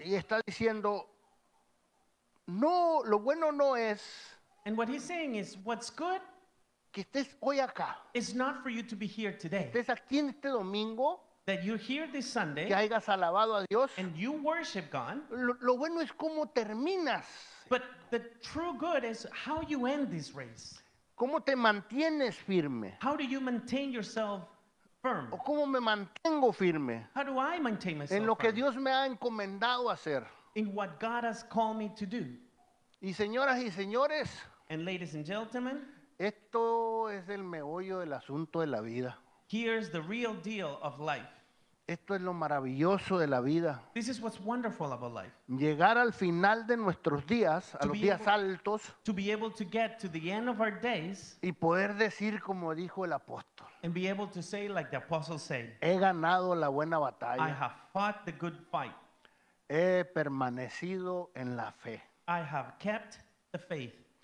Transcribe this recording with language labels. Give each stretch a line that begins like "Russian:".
Spanish: Y está diciendo, no, lo bueno no es,
English: and what he's saying is, what's good,
Spanish: que estés hoy acá,
English: is not for you to be here today.
Spanish: Estés aquí en este domingo,
English: that you're here this Sunday,
Spanish: que hayas alabado a Dios,
English: and you worship God.
Spanish: Lo bueno es cómo terminas.
English: But the true good is how you end this race.
Spanish: ¿Cómo te mantienes firme?
English: How do you maintain yourself firm?
Spanish: ¿O cómo me mantengo firme?
English: How do I maintain myself
Spanish: en lo que
English: firm?
Spanish: Dios me ha encomendado hacer.
English: In what God has called me to do.
Spanish: Y señoras y señores,
English: and ladies and gentlemen,
Spanish: esto es el meollo del asunto de la vida.
English: Here's the real deal of life.
Spanish: Esto es lo maravilloso de la vida.
English: This is what's wonderful about life.
Spanish: Llegar al final de nuestros días, a los días altos,
English: to be able to get to the end of our days,
Spanish: y poder decir como dijo el apóstol,
English: and be able to say like the apostle said,
Spanish: he ganado la buena batalla.
English: I have fought the good fight.
Spanish: He permanecido en la fe.
English: I have kept the faith.